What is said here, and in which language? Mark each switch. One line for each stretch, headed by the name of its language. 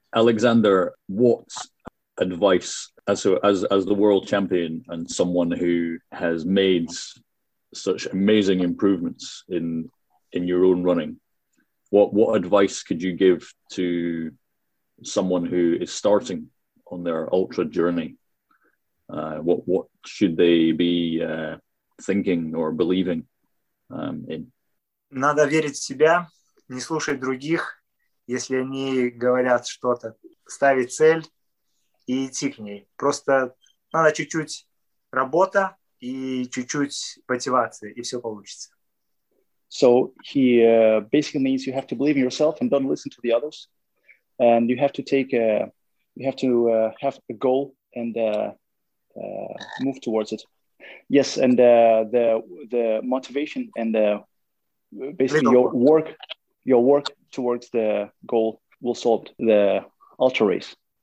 English: Alexander, what advice as the world champion and someone who has made such amazing improvements in your own running, what advice could you give to someone who is starting on their ultra journey? What should they be thinking or believing in?
Russian: Надо верить в себя, не слушать других, если они говорят что-то. Ставить цель и идти к ней. Просто надо чуть-чуть работа и чуть-чуть мотивации, и все получится.
English: So he basically means you have to believe in yourself and don't listen to the others. And you have to have a goal and move towards it. Yes, and the motivation and basically your work towards the goal will solve the ultra race.